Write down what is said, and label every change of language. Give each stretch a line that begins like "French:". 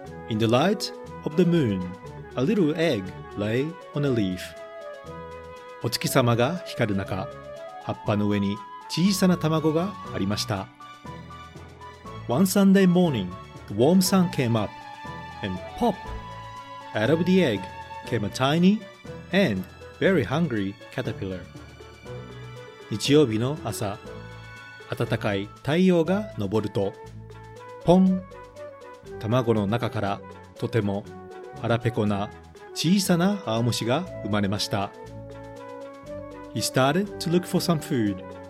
English: In the light of the moon, a little egg lay on a leaf.
Japanese: お月様が光る中、葉っぱの上に小さな卵がありました。
English: One Sunday morning, the warm sun came up, and pop! Out of the egg came a tiny and very hungry caterpillar.
Japanese: 日曜日の朝、暖かい太陽が昇るとポン、卵の中からとても腹ペコな小さな青虫が生まれました。
English: He started to look for some food.